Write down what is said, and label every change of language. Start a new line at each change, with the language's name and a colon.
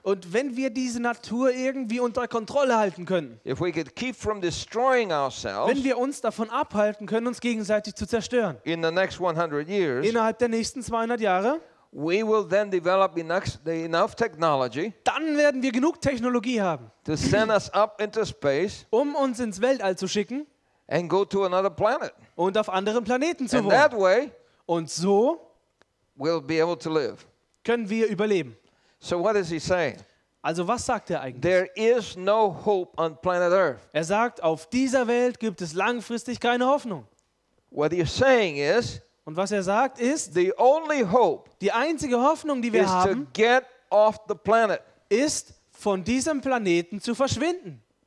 German: Und wenn wir diese Natur irgendwie unter Kontrolle halten können.
English: If we could keep from destroying ourselves.
German: Wenn wir uns davon abhalten können, uns gegenseitig zu zerstören.
English: In the next 100 years.
German: Innerhalb der nächsten 200 Jahre.
English: We will then develop enough technology.
German: Dann werden wir genug Technologie haben.
English: To send us up into space.
German: Um uns ins Weltall zu schicken.
English: And go to another planet.
German: Und auf anderen Planeten zu wohnen.
English: And that way.
German: Und so.
English: We'll be able to live.
German: Können wir überleben.
English: So what is he saying?
German: Also was sagt er eigentlich?
English: There is no hope on planet Earth.
German: Er sagt, auf dieser Welt gibt es langfristig keine Hoffnung.
English: What he's saying is.
German: Und was er sagt ist,
English: the only hope,
German: die einzige Hoffnung, die wir
English: is
German: haben,
English: to get off the planet,
German: ist, von diesem Planeten zu verschwinden.